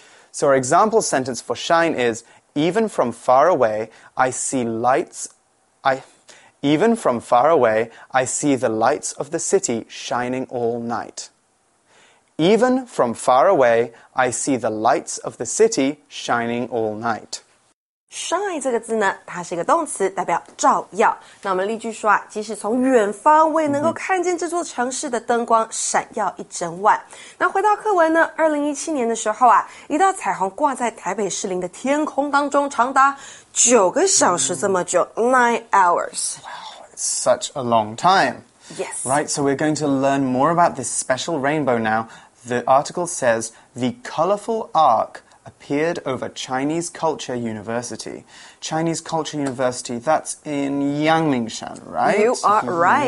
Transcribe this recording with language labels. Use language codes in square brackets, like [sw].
[en] So our example sentence for shine is, even from far away, I see the lights of the city shining all night. Even from far away, I see the lights of the city shining all night. [zh] Shine 这个字呢，它是一个动词，代表照耀。那我们例句说啊，即使从远方，我也能够看见这座城市的灯光闪耀一整晚。那回到课文呢，2017年的时候啊，一道彩虹挂在台北士林的天空当中，长达9个小时这么久 ， [en] 9 hours. Wow, it's such a long time. Yes. Right, so we're going to learn more about this special rainbow now. The article says the colorful arc. Appeared over Chinese Culture University. Chinese Culture University, that's in Yangmingshan, right? You are right.